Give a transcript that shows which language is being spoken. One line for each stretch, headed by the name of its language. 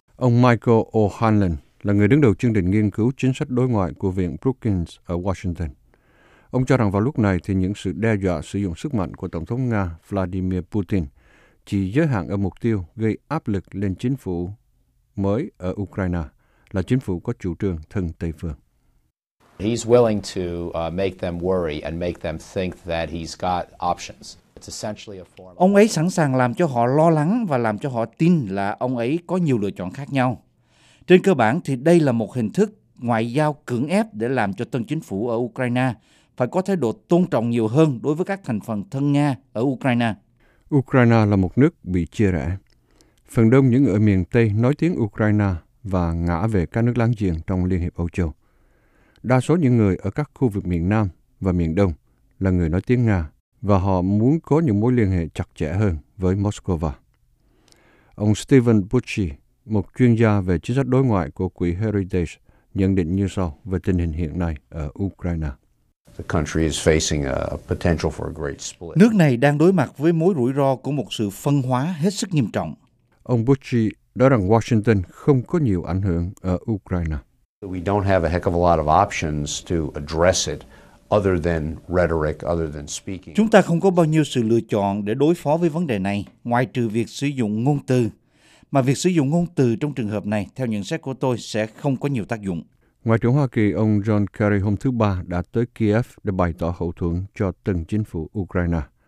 Vietnamese: Ông Michael O'Hanlon là người đứng đầu chương trình nghiên cứu chính sách đối ngoại của Viện Brookings ở Washington. Ông cho rằng vào lúc này thì những sự đe dọa sử dụng sức mạnh của Tổng thống Nga Vladimir Putin chỉ giới hạn ở mục tiêu gây áp lực lên chính phủ mới ở Ukraine, là chính phủ có chủ trương thân Tây Phương.
English: He's willing to make them worry and make them think that he's got options. It's essentially a form.
Vietnamese: Ông ấy sẵn sàng làm cho họ lo lắng và làm cho họ tin là ông ấy có nhiều lựa chọn khác nhau. Trên cơ bản thì đây là một hình thức ngoại giao cưỡng ép để làm cho tân chính phủ ở Ukraine phải có thái độ tôn trọng nhiều hơn đối với các thành phần thân Nga ở Ukraine. Ukraine là một nước bị chia rẽ. Phần đông những người ở miền Tây nói tiếng Ukraine và ngã về các nước láng giềng trong Liên hiệp Âu Châu. Đa số những người ở các khu vực miền Nam và miền Đông là người nói tiếng Nga và họ muốn có những mối liên hệ chặt chẽ hơn với Moscow. Ông Stephen Bucci, một chuyên gia về chính sách đối ngoại của Quỹ Heritage, nhận định như sau về tình hình hiện nay ở Ukraine.
English: The country is facing a potential for a great split.
Vietnamese: Nước này đang đối mặt với mối rủi ro của một sự phân hóa hết sức nghiêm trọng. Ông Bucci nói rằng Washington không có nhiều ảnh hưởng ở Ukraine.
English: We don't have a heck of a lot of options to address it other than rhetoric, other than speaking.
Vietnamese: Chúng ta không có bao nhiêu sự lựa chọn để đối phó với vấn đề này ngoài trừ việc sử dụng ngôn từ. Mà việc sử dụng ngôn từ trong trường hợp này, theo nhận xét của tôi, sẽ không có nhiều tác dụng. Ngoại trưởng Hoa Kỳ ông John Kerry hôm thứ Ba đã tới Kiev để bày tỏ hậu thuẫn cho từng chính phủ Ukraine.